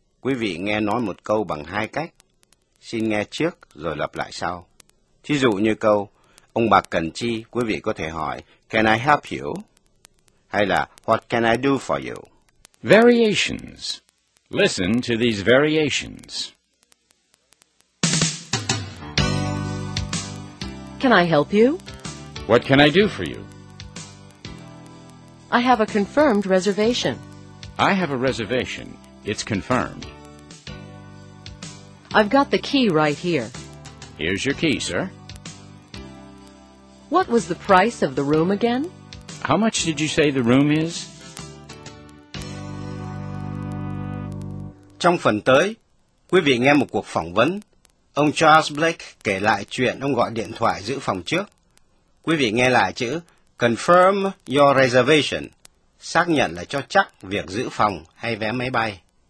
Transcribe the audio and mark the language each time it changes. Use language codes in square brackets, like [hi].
[vi] Quý vị nghe nói một câu bằng hai cách. Xin nghe trước rồi lặp lại sau. Thí dụ như câu, ông bà cần chi, quý vị có thể hỏi, [en] Can I help you? [vi] Hay là, [en] What can I do for you? Variations. Listen to these variations. Can I help you? What can I do for you? I have a confirmed reservation. I have a reservation. It's confirmed. I've got the key right here. Here's your key, sir. What was the price of the room again? How much did you say the room is? [vi] Trong phần tới, quý vị nghe một cuộc phỏng vấn. Ông Charles Blake kể lại chuyện ông gọi điện thoại giữ phòng trước. Quý vị nghe lại chữ Confirm your reservation. Xác nhận là cho chắc việc giữ phòng hay vé máy bay.